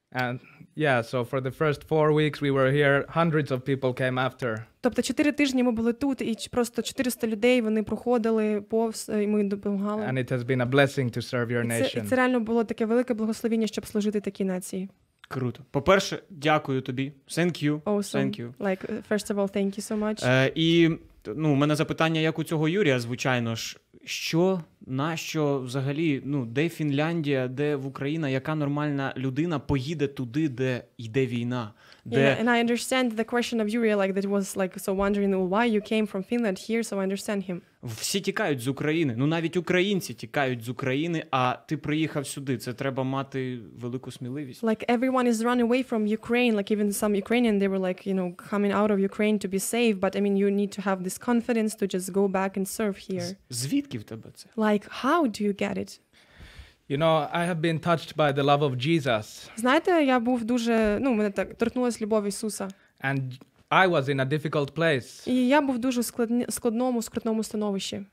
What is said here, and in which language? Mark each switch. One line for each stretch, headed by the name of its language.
English: And yeah, so for the first 4 weeks we were here, hundreds of people came after.
Ukrainian: Тобто 4 тижні ми були тут і просто 400 людей вони проходили повз і ми допомагали.
English: And it has been a blessing to serve your nation.
Ukrainian: Це реально було таке велике благословення, щоб служити такій нації. Круто. По-перше, дякую тобі.
English: Thank you. Awesome. Thank you. Like first of all, thank you so much.
Ukrainian: І ну, у мене запитання, як у цього Юрія, звичайно ж, що, нащо взагалі, ну, де Фінляндія, де в Україна, яка нормальна людина поїде туди, де йде війна? Де...
English: Yeah, and I understand the question of Yuri, like, that was, like, so wondering, well, why you came from Finland here, so I understand him.
Ukrainian: всі тікають з України. Ну, навіть українці тікають з України, а ти приїхав сюди. Це треба мати велику сміливість.
English: Like everyone is running away from Ukraine, like even some Ukrainian they were like, you know, coming out of Ukraine to be safe, but I mean you need to have this confidence to just go back and serve here.
Ukrainian: Звідки в тебе це?
English: Like how do you get it? You know, I have been touched by the love of Jesus.
Ukrainian: Знаєте, я був дуже, ну, мене так торкнулась любов Ісуса.
English: And I was in a difficult place.
Ukrainian: І я був дуже скрутному становищі.